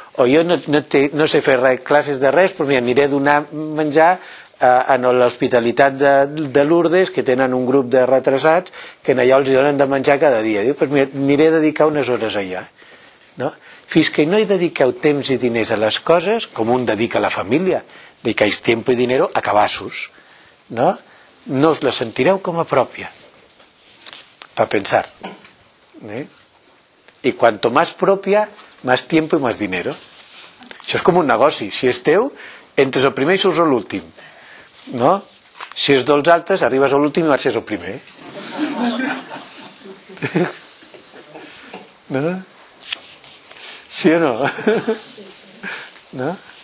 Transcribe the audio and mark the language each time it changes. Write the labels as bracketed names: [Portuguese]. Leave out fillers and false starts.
[Catalan] O jo no sé fer res, classes de res, però mira, aniré a donar menjar a l'hospitalitat de Lourdes, que tenen un grup de retrasats que allà els donen de menjar cada dia. Diu, pues mira, aniré a dedicar unes hores allà. No? Fins que no hi dediqueu temps i diners a les coses, com un dedica a la família, dediqueu temps i diners a cabassos. No? No us la sentireu com a pròpia. Per pensar. [Spanish] I cuanto más propia, más tiempo y más dinero. [Catalan] Això és com un negoci. Si és teu, entres el primer i surts l'últim. No? Si és dels altres, arribes a l'últim i marxes al primer. No? Sí o no? No?